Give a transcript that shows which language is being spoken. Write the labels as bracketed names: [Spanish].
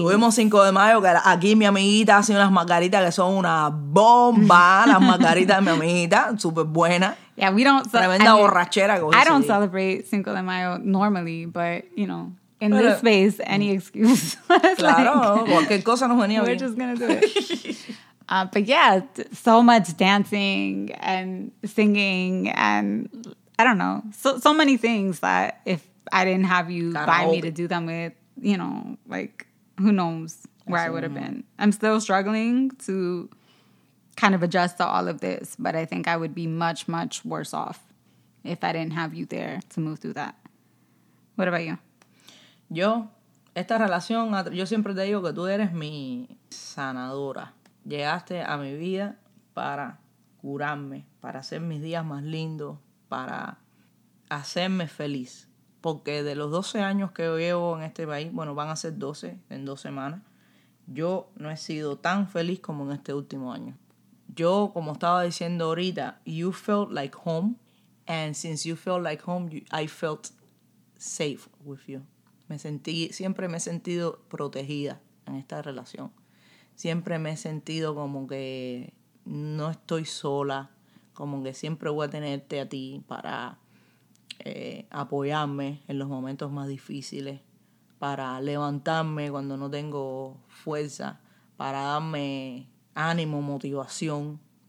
[Spanish] Tuvimos Cinco de Mayo, que aquí mi amiguita hace unas margaritas que son una bomba. Las margaritas de mi amiguita, súper buena. [English] Yeah, we don't... [Spanish] Tremenda borrachera. [English] I don't celebrate Cinco de Mayo normally, but, you know, in this space, any excuse. [Spanish] Claro, like, cualquier cosa nos venía bien. [English] We're just gonna do it. But yeah, so much dancing and singing and, I don't know, so many things that if I didn't have you by me to do them with, you know, like, who knows where I would have been. I'm still struggling to kind of adjust to all of this, but I think I would be much, much worse off if I didn't have you there to move through that. What about you? [Spanish] Yo, esta relación, yo siempre te digo que tú eres mi sanadora. Llegaste a mi vida para curarme, para hacer mis días más lindos, para hacerme feliz. Porque de los 12 años que llevo en este país, bueno, van a ser 12 en 2 semanas, yo no he sido tan feliz como en este último año. Yo, como estaba diciendo ahorita, [English] you felt like home. And since you felt like home, I felt safe with you. [Spanish] Siempre me he sentido protegida en esta relación. Siempre me he sentido como que no estoy sola. Como que siempre voy a tenerte a ti para... apoyarme en los momentos más difíciles, para levantarme cuando no tengo fuerza, para darme ánimo, motivación.